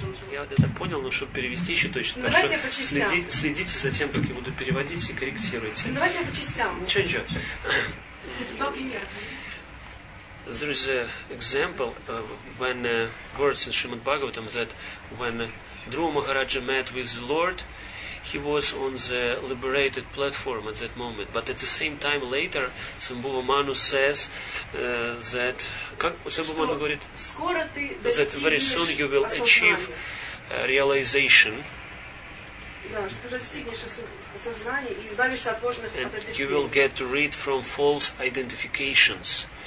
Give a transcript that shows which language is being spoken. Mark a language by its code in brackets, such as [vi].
[ru] Я вот это понял, но чтобы перевести еще точно. Давайте что, я по частям. Следите за тем, как я буду переводить, и корректируйте. Ну, давайте я по частям. Ничего. Два примера. [en] There is an example when words in Srimad Bhagavatam that when Dhruva Maharaja met with the Lord, he was on the liberated platform at that moment. But at the same time later, Sambhava Manu says that... [ru] Как Sambhava Manu говорит? Скоро ты достигнешь осознания. [en] That very soon you will achieve realization. [ru] Да, что ты достигнешь осознания и избавишься от ложных отождествлений. [en] And you will get rid from false identifications.